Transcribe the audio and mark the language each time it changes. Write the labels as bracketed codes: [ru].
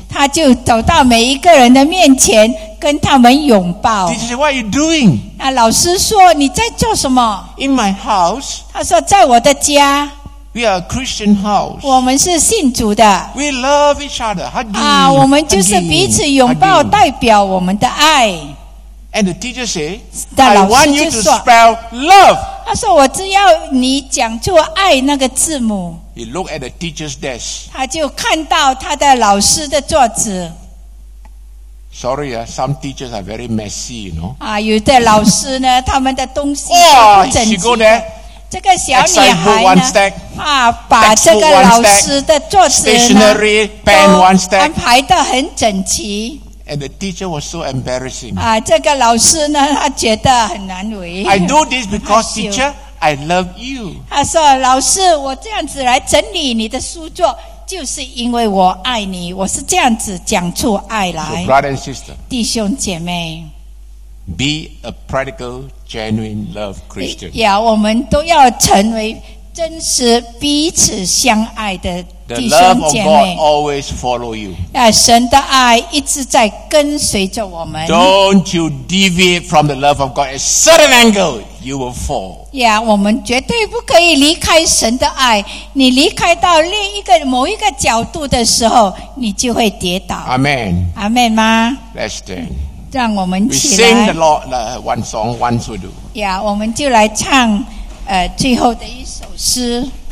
[zh] 他就走到每一个人的面前跟他们拥抱。 [en] She said, what are you doing? [zh] 老师说你在做什么? [en] In my house. [zh] 他说在我的家。 [en] We are a Christian house. [zh] 我们是信主的。 [en] We love each other. Hugging. [zh] 我们就是彼此拥抱代表我们的爱。 [en] And the teacher said, I want you to spell love. [zh] 他说我只要你讲出爱那个字母。 [en] He looked at the teacher's desk. [zh] 他就看到他的老师的桌子。 [en] Sorry, some teachers are very messy, you know. [zh] 有的老师呢他们的东西都不整齐。 [en] She go there, [zh] 这个小女孩呢 [en] stack, [zh] 把这个老师的桌子呢 [en] stationary, pen one stack, [zh] 都安排得很整齐。 [en] And the teacher was so embarrassing. [zh] 这个老师呢，他觉得很难为。 [en] I do this because teacher, I love you. [zh] 他说：“老师，我这样子来整理你的书桌，就是因为我爱你。我是这样子讲出爱来。” [en] So, brother and sister, [zh] 弟兄姐妹 [en] ，be a practical, genuine love Christian. [zh] 我们都要成为真实彼此相爱的。 [en] The love of God always follow you. [zh] 神的爱一直在跟随着我们。 [en] Don't you deviate from the love of God. At certain angle, you will fall. [zh] 我们绝对不可以离开神的爱。你离开到另一个某一个角度的时候，你就会跌倒。 [en] Amen. [zh] Amen 吗 [en] ？Let's stand. [zh] 让我们起来。 [en] We sing the Lord one song once we do. [zh] 我们就来唱最后的一首诗。